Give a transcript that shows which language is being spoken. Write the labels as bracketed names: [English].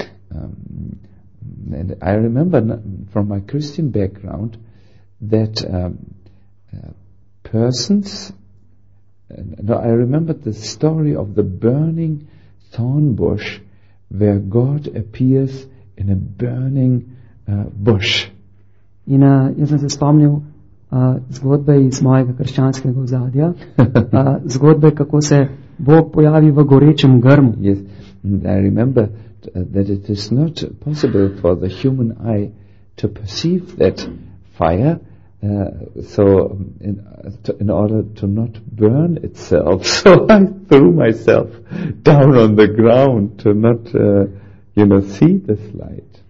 [English] And I remember from my Christian background that persons, no, I remember the story of the burning thorn bush where God appears in a burning bush. [Slovenian] In jaz sem se spomnil zgodbe iz mojega krščanskega ozadja, zgodbe, kako se Bog pojavi v gorečem grmu. [English] Yes, I remember that it is not possible for the human eye to perceive that fire, so in order to not burn itself, so I threw myself down on the ground to not, you know, see this light.